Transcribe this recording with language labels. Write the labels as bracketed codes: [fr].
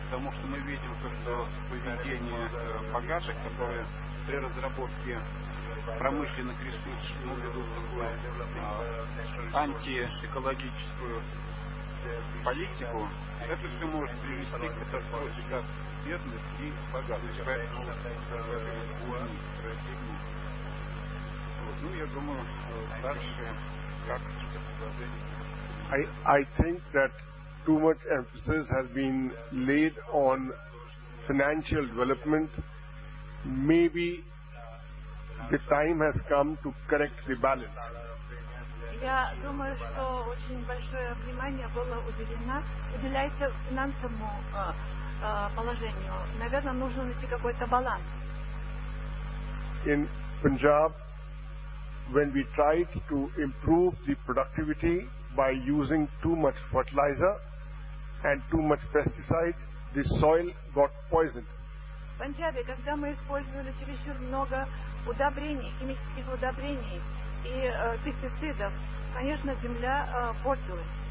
[ru] Потому что мы видим, что поведение богатых, которые при разработке промышленных ресурсов, ну, ведут такую антиэкологическую политику, это все может привести к катастрофе как бедных и богатых. Поэтому, вот, ну, я думаю, дальше как это предложение. [en] I think that too much emphasis has been laid on financial development. Maybe the time has come to correct the balance. [ru] Я думаю, что очень большое внимание было уделено, уделяется финансовому положению. Наверное, нужно найти какой-то баланс. [en] In Punjab, when we tried to improve the productivity by using too much fertilizer and too much pesticide, the soil got poisoned. [ru] В Пенджабе, когда мы использовали чересчур много удобрений, химических удобрений и пестицидов, конечно, земля портилась.